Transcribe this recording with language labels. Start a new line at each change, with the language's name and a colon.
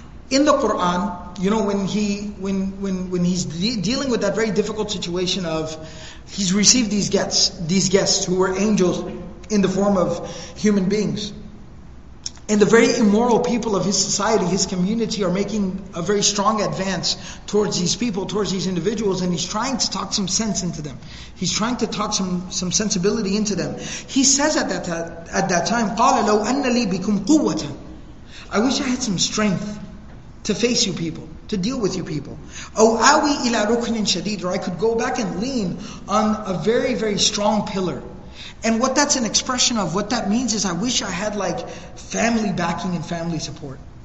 English: In the Quran, you know, when he's dealing with that very difficult situation of, he's received these guests who were angels in the form of human beings. And the very immoral people of his society, his community, are making a very strong advance towards these people, towards these individuals, and he's trying to talk some sense into them. He's trying to talk some sensibility into them. He says at that time,
Arabic: قَالَ لَوْ أَنَّ لِي بِكُمْ قُوَّةً.
English: I wish I had some strength to face you people, to deal with you people.
Arabic: أَوْ أَوِي إِلَىٰ رُكْنٍ شَدِيدٍ.
English: Or I could go back and lean on a very, very strong pillar. And what that's an expression of, what that means is, I wish I had like family backing and family support.